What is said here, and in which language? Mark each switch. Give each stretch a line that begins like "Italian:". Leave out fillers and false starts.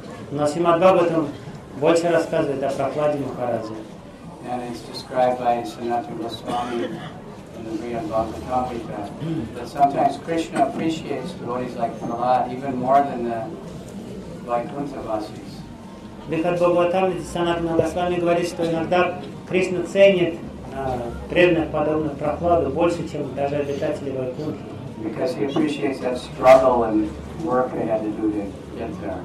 Russian: Но Шримад Бхагаватам больше рассказывает о Прохладе Махарадже.
English: And it's described by Sanatana Goswami in the Brihad Bhagavatamrita. But sometimes Krishna appreciates devotees like Prahlad even more than the Vaikuntha Vasis.
Russian: Brihad Bhagavatamrita Sanatana Goswami говорит, что иногда Кришна ценит преданных подобных Прохладу больше, чем даже обитателей Вайкунтхи.
English: Because he appreciates that struggle and work they had to do to get there.